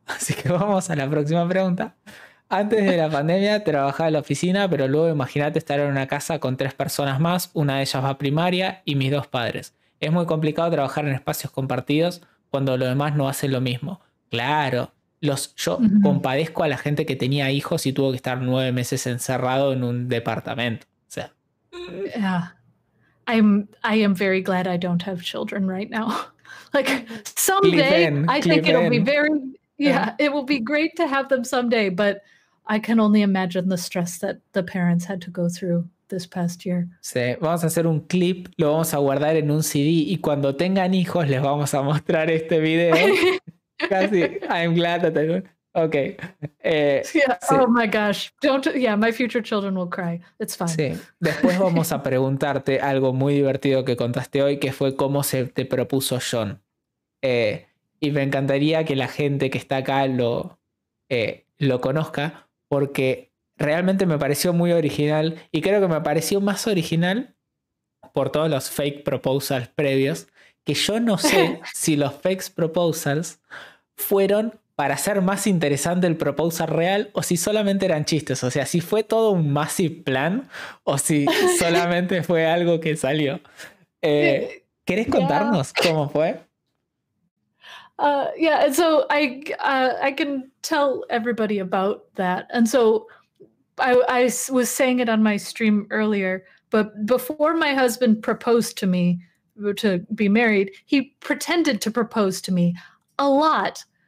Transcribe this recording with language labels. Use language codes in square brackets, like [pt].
[es] Así que vamos a la próxima pregunta. Antes de la pandemia trabajaba en la oficina, pero luego imagínate estar en una casa con 3 personas más, una de ellas va a primaria y mis 2 padres. Es muy complicado trabajar en espacios compartidos cuando los demás no hacen lo mismo. Claro, yo compadezco a la gente que tenía hijos y tuvo que estar 9 meses encerrado en un departamento. O sea, [en] I am very glad I don't have children right now. Like someday it'll be very it will be great to have them someday, but I can only imagine the stress that the parents had to go through this past year. [es] Sí, vamos a hacer un clip, lo vamos a guardar en un CD y cuando tengan hijos les vamos a mostrar este video. [en] Cassidy, I'm glad that I don't. Okay. Sí. Oh my gosh. Don't. Yeah, my future children will cry. It's fine. [es] Sí. Después vamos a preguntarte algo muy divertido que contaste hoy, que fue cómo se te propuso John. Y me encantaría que la gente que está acá lo conozca, porque realmente me pareció muy original y creo que me pareció más original por todos los fake proposals previos, que yo no sé si los fake proposals fueron para hacer más interesante el proposal real o si solamente eran chistes, o sea, si fue todo un massive plan o si solamente fue algo que salió. ¿Querés contarnos cómo fue? [en] And so I can tell everybody about that. And so I was saying it on my stream earlier, but before my husband proposed to me to be married, he pretended to propose to me a lot.